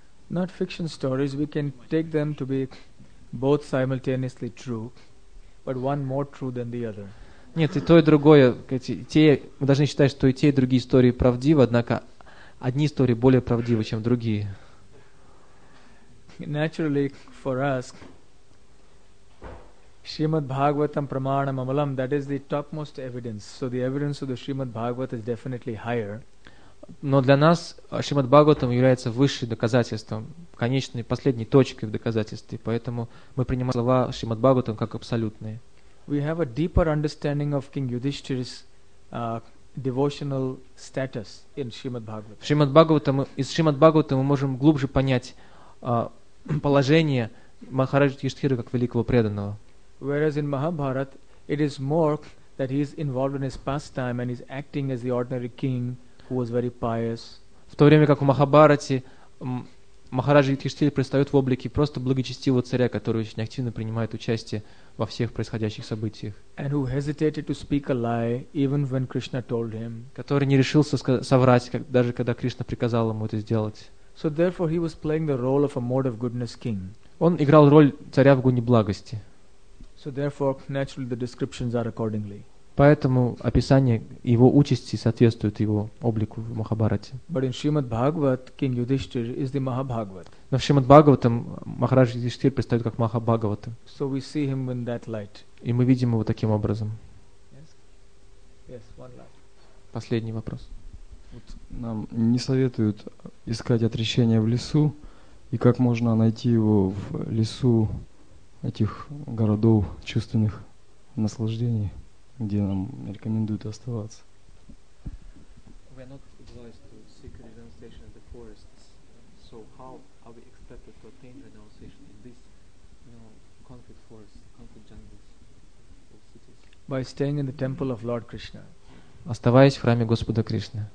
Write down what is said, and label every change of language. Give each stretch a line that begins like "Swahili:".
English: Not fiction stories, we can take them to be both simultaneously true, but one more true than the other.
Russian: Нет, и то, и другое. Мы должны считать, что и те, и другие истории правдивы, однако одни истории более правдивы, чем другие.
English: Naturally, for us, Shrimad Bhagavatam
Sanskrit: Pramanam Amalam,
English: that is the topmost evidence. So the evidence of the Shrimad Bhagavatam is definitely higher.
Russian: Но для нас Шримад Бхагаватам является высшим доказательством, конечной, последней точкой в доказательстве. Поэтому мы принимаем слова Шримад Бхагаватам как абсолютные.
English: We have a deeper understanding of King Yudhishthira's devotional status in Shrimad Bhagavatam.
Russian: Из Шримад Бхагаватам мы можем глубже понять положение Махараджа Юдхиштхиры как великого преданного.
English: Whereas in Mahabharat, it is more that he is involved in his pastime and he is acting as the ordinary king. Who was very pious.
Russian: В то время как в Махабхарате Махараджа Юдхиштхира предстает в облике просто благочестивого царя, который очень активно принимает участие во всех происходящих событиях.
English: And who hesitated to speak a lie, even when Krishna told him.
Russian: Который не решился соврать, даже когда Кришна приказал ему это сделать.
English: So therefore he was playing the role of a mode of goodness king.
Russian: Он играл роль царя в гуне благости.
English: So therefore, naturally the descriptions are accordingly.
Russian: Поэтому описание его участи соответствует его облику в Махабхарате.
English: But in Shrimad Bhagavat, King Yudhishthir is the Mahabhagavat.
Russian: Но в Шримад Бхагаватам Махарадж Юдхиштхир предстает как Махабхагавата.
English: So we see him in that light.
Russian: И мы видим его таким образом.
English: Yes. Yes, one last.
Russian: Последний вопрос. Вот нам не советуют искать отрешение в лесу, и как можно найти его в лесу этих городов чувственных наслаждений? Где нам рекомендуют оставаться.
English: We are not advised to seek renunciation in the forests. So how are we expected to attain renunciation in this, you know, concrete forests, concrete jungles of cities? By staying in the temple of Lord Krishna.
Russian: Оставаясь в храме Господа Кришны.